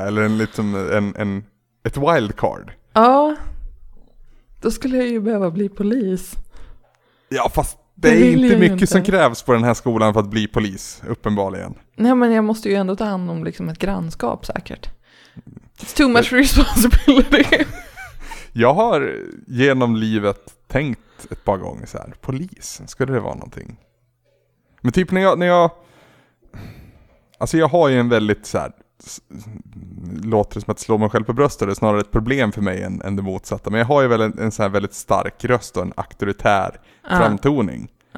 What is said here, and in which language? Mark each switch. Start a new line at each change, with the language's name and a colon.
Swedish: Eller en liten, ett wildcard. Ja, då skulle jag ju behöva bli polis. Ja, fast det är inte mycket inte. Som krävs på den här skolan för att bli polis, uppenbarligen. Nej, men jag måste ju ändå ta hand om liksom ett grannskap säkert.
English: It's too much responsibility.
Swedish: Jag har genom livet tänkt ett par gånger så här, polis, skulle det vara någonting? Men typ när jag, alltså jag har ju en väldigt så här, låter det som att slå mig själv på bröstet, det är snarare ett problem för mig än det motsatta, men jag har ju väl en sån här väldigt stark röst och en auktoritär framtoning.